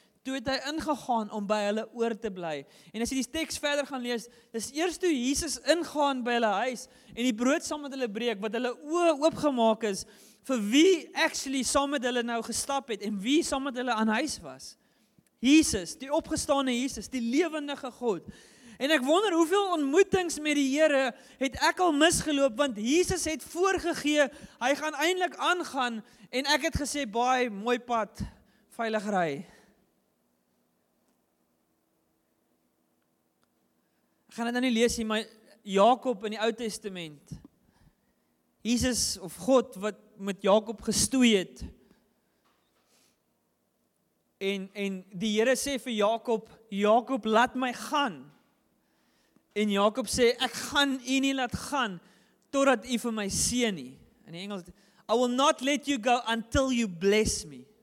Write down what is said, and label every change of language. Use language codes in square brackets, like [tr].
[af] Toe het hy ingegaan om by hulle oor te bly. En as jy die tekst verder gaan lees, dis eers toe Jesus ingaan by hulle huis, en die brood saam met hulle breek, wat hulle oë oopgemaak is, vir wie actually saam met hulle nou gestap het, en wie saam met hulle aan huis was. Jesus, die opgestaane Jesus, die lewendige God. En ek wonder hoeveel ontmoetings met die Here het ek al misgeloop, want Jesus het voorgegee, hy gaan eindelijk aangaan, en ek het gesê, baie mooi pad, veilig ry. Gaan dit nou nie lees nie, maar Jakob in die Ou Testament. Jesus of God wat met Jakob gestoei het. En die Here sê vir Jakob, Jakob, laat my gaan. En Jakob sê, ek gaan u nie laat gaan totdat u vir my seën nie. In die Engels, [en] I will not let you go until you bless me.